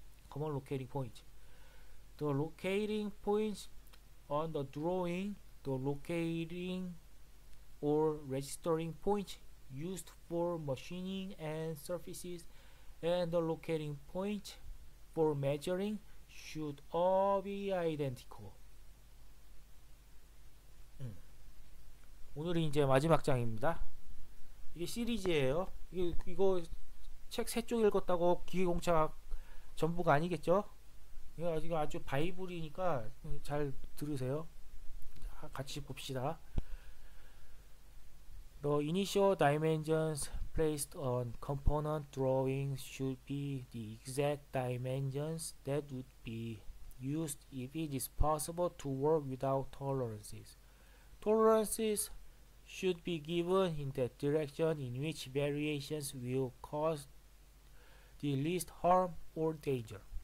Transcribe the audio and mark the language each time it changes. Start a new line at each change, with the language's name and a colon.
English: The locating points on the drawing, the locating or registering points used for machining and surfaces, and the locating point for measuring should all be identical.
Korean: 오늘이 이제 마지막 장입니다. 이게 시리즈예요. 이거 책세쪽 읽었다고 기계공학 전부가 아니겠죠? 이거 아주 바이블이니까 잘 들으세요. 같이 봅시다.
English: The initial dimensions placed on component drawings should be the exact dimensions that would be used if it is possible to work without tolerances. Tolerances should be given in the direction in which variations will cause the least harm or danger.